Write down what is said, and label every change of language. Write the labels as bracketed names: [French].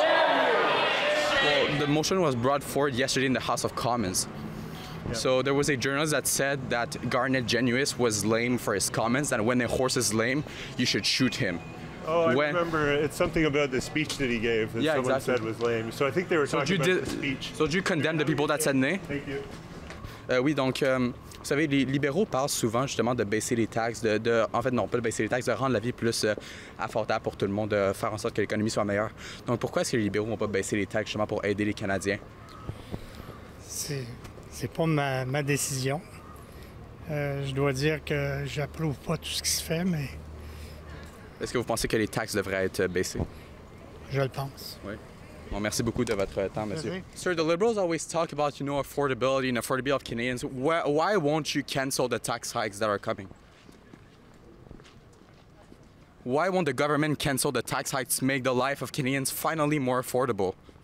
[English] Well, the motion was brought forward yesterday in the House of Commons. So there was a journalist that said that Garnet Genuis was lame for his comments, that when a horse is lame, you should shoot him. Oh, I remember. It's something about the speech that he gave that said was lame. So I think they were talking about the speech. So did you condemn the people that said nay? Thank you. [French] Oui, donc, vous savez, les libéraux parlent souvent justement de baisser les taxes, pas de baisser les taxes, de rendre la vie plus affordable pour tout le monde, de faire en sorte que l'économie soit meilleure. Donc, pourquoi est-ce que les libéraux vont pas baisser les taxes justement pour aider les Canadiens? C'est pas ma décision. Je dois dire que j'approuve pas tout ce qui se fait, mais... Est-ce que vous pensez que les taxes devraient être baissées? Je le pense. Oui. Well, merci beaucoup de votre temps, monsieur. Mm-hmm. [English] Sir, the Liberals always talk about, you know, affordability and affordability of Canadians. Why won't you cancel the tax hikes that are coming? Why won't the government cancel the tax hikes, make the life of Canadians finally more affordable?